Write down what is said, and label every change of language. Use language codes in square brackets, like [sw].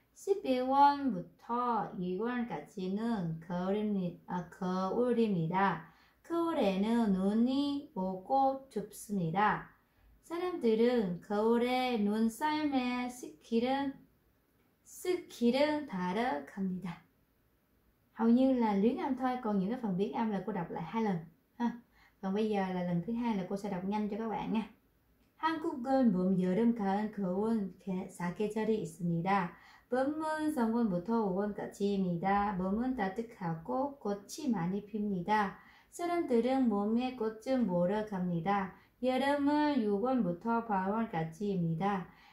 [ko] 12월부터 2월까지는 겨울입니다. 겨울에는 눈이 오고 춥습니다. 사람들은 겨울에 눈 삶의 스킬은 다르답니다. [vi] Hầu như là luyến Anh thôi, còn những cái phần biến âm là cô đọc lại hai lần ha. Còn bây giờ là lần thứ hai là cô sẽ đọc nhanh cho các bạn nha. [ko] 한국은 봄, 여름, 가을, 겨울 사계절이 있습니다. 봄은 3월부터 5월까지입니다. 봄은 따뜻하고 꽃이 많이 핍니다. 사람들은 몸에 꽃을 보러 갑니다. 여름은 6월부터 8월까지입니다.